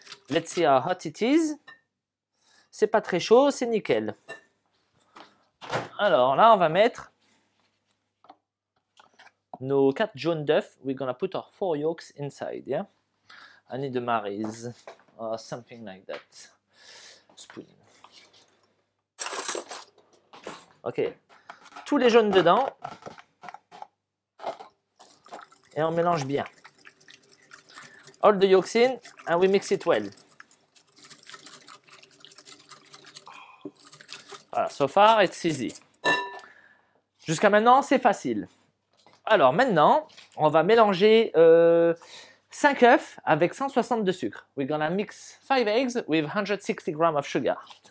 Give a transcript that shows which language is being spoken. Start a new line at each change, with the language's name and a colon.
English: Let's see how hot it is.
French: C'est pas très chaud, c'est nickel. Alors là, on va mettre nos 4 jaunes d'œufs.
English: We're gonna put our 4 yolks inside, yeah? I need the maris, or something like that. Spoon.
French: Ok. Tous les jaunes dedans. Et on mélange bien.
English: All the yolks in, and we mix it well.
French: Voilà,
English: so far, it's easy.
French: Jusqu'à maintenant, c'est facile. Alors maintenant, on va mélanger 5 œufs avec 160 de sucre.
English: We're gonna mix 5 eggs with 160 grams of sugar.